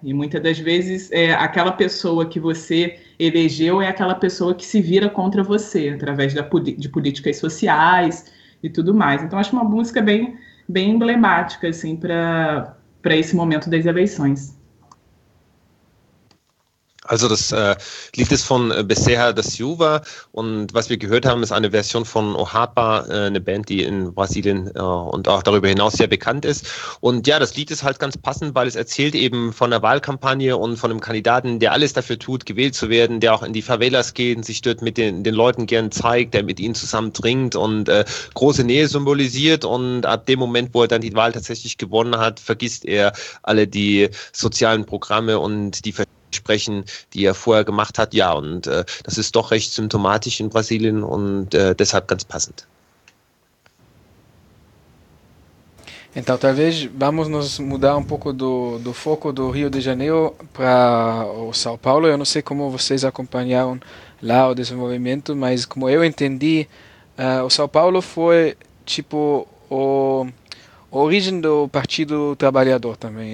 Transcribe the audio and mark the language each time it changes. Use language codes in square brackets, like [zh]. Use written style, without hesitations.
[pt] E muitas das vezes, aquela pessoa que você elegeu é aquela pessoa que se vira contra você, através de políticas sociais e tudo mais. Então, acho uma música bem... bem emblemática, assim, para esse momento das eleições. [de] Also das Lied ist von Bezerra da Silva und was wir gehört haben, ist eine Version von Ohapa, eine Band, die in Brasilien und auch darüber hinaus sehr bekannt ist. Und ja, das Lied ist halt ganz passend, weil es erzählt eben von der Wahlkampagne und von einem Kandidaten, der alles dafür tut, gewählt zu werden, der auch in die Favelas geht und sich dort mit den Leuten gern zeigt, der mit ihnen zusammen trinkt und große Nähe symbolisiert. Und ab dem Moment, wo er dann die Wahl tatsächlich gewonnen hat, vergisst er alle die sozialen Programme und die Sprechen, die er vorher gemacht hat, ja, und das ist doch recht symptomatisch in Brasilien und deshalb ganz passend. [pt] Então, talvez vamos nos mudar um pouco do foco do Rio de Janeiro para o São Paulo. Eu não sei como vocês acompanharam lá o desenvolvimento, mas como eu entendi, o São Paulo foi tipo a origem do Partido Trabalhador também.